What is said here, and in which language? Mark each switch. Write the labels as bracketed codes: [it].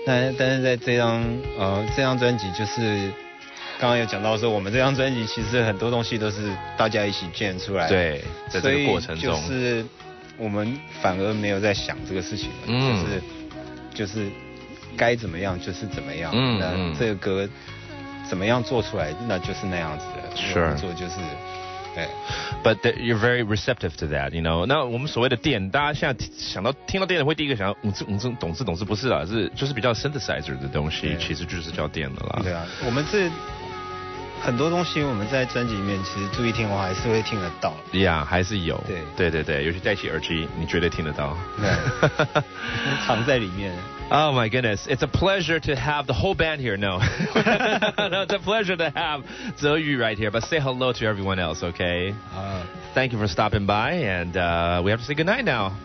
[zh] 但是在这张专辑，就是刚刚有讲到说，我们这张专辑其实很多东西都是大家一起建出来的，对，在这个过程中，就是我们反而没有在想这个事情了，就是该怎么样就是怎么样，那这个歌怎么样做出来，那就是那样子的，是、sure. 做就是。 [en] But you're very receptive to that, you know. [zh] 那我们所谓的电，大家现在想到听到电的会第一个想到懂事，不是啦，是就是比较 synthesizer 的东西，其实就是叫电的啦。对啊，我们这很多东西我们在专辑里面其实注意听的话还是会听得到。 Yeah, 还是有。对对对对，尤其戴起耳机，你绝对听得到。对，藏在里面。 [en] Oh my goodness, it's a pleasure to have the whole band here. No, no, it's a pleasure to have Zhe Yu right here. But say hello to everyone else, okay? Thank you for stopping by, and we have to say goodnight now.